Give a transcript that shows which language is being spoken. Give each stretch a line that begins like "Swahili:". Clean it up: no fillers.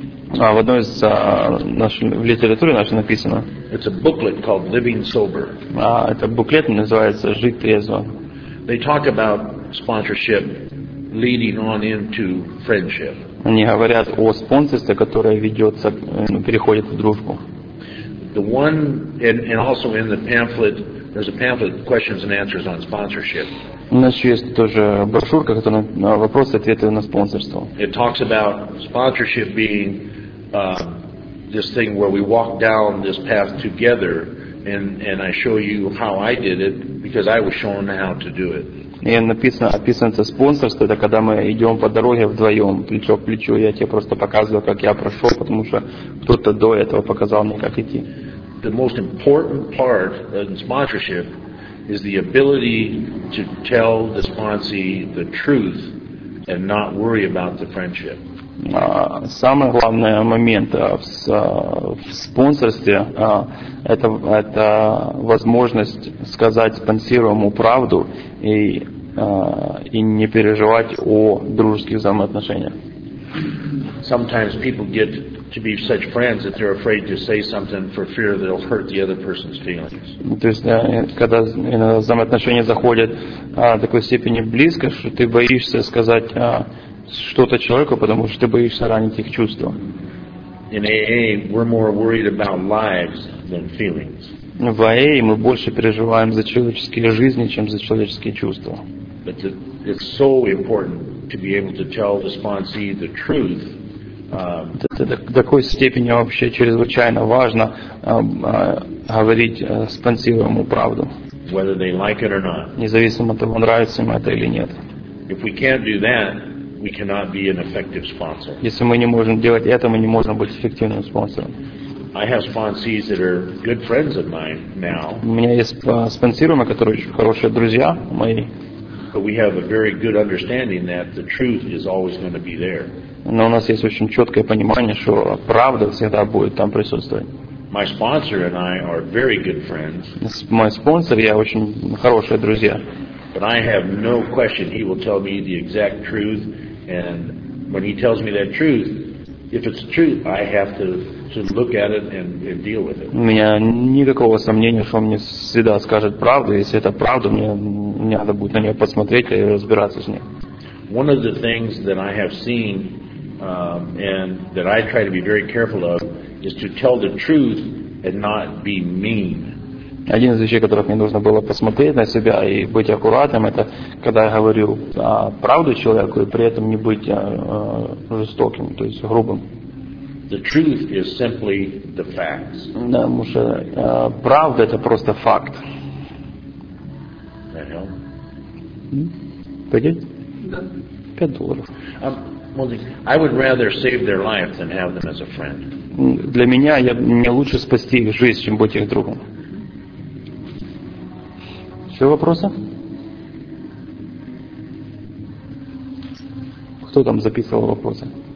Russian: В одной из в литературе нашей написано.
English: It's a booklet called Living Sober.
Russian: Это буклет называется «Жить трезво».
English: They talk about sponsorship leading on into friendship.
Russian: Они говорят о спонсорстве, которое ведется, переходит в дружбу.
English: The one and also in the pamphlet, there's a pamphlet questions and answers on sponsorship.
Russian: У нас еще есть тоже брошюрка, которая на вопросы и ответы на спонсорство.
English: It talks about sponsorship being this thing where we walk down this path together and I show you how I did it because I was shown how to do it.
Russian: И написано, описывается спонсорство, это когда мы идем по дороге вдвоем, плечо к плечу, я тебе просто показываю, как я прошел, потому что кто-то до этого показал мне, как идти.
English: The most important part of sponsorship is the ability to tell the sponsee the truth and not worry about the friendship.
Russian: Самый главный момент в спонсорстве это возможность сказать спонсируемому правду и не переживать о дружеских взаимоотношениях.
English: Sometimes people get to be such friends that they're afraid to say something for fear they'll hurt the other person's feelings.
Russian: То есть когда взаимоотношения заходят в такой степени близко, что ты боишься сказать что-то человеку, потому что ты боишься ранить их чувства.
English: In AA, we're more worried about lives than feelings.
Russian: В АА мы больше переживаем за человеческие жизни, чем за человеческие чувства.
English: But it's so important to be able to tell the sponsee the truth.
Russian: Это до такой степени вообще чрезвычайно важно говорить спонсируемому правду.
English: Whether they like it or not.
Russian: Независимо от того, нравится им это или нет.
English: If we can't do that, we cannot be an effective sponsor.
Russian: Если мы не можем делать это, мы не можем быть эффективным спонсором.
English: I have sponsees that are good friends of mine now.
Russian: У меня есть спонсируемые, которые очень хорошие друзья мои.
English: But we have a very good understanding that the truth is always going to be there.
Russian: Но у нас есть очень четкое понимание, что правда всегда будет там присутствовать.
English: My sponsor and I are very good friends.
Russian: Мой спонсор и я очень хорошие друзья.
English: But I have no question he will tell me the exact truth, and when he tells me that truth, if it's truth, I have to look at it and deal with it.
Russian: У меня никакого сомнения, что он мне всегда скажет правду. Если это правда, мне надо будет на нее посмотреть и разбираться с ней.
English: One of the things that I have seen and that I try to be very careful of is to tell the truth and not be mean.
Russian: Один из вещей, которых мне нужно было посмотреть на себя и быть аккуратным, это когда я говорю правду человеку и при этом не быть жестоким, то есть грубым.
English: The truth is simply the facts.
Russian: Да, потому что правда это просто факт.
English: That help?
Russian: Пойдет? Да.
English: $5. I would rather save their life than have them as a friend.
Russian: Для меня мне лучше спасти их жизнь, чем быть их другом. Еще вопросы? Кто там записывал вопросы?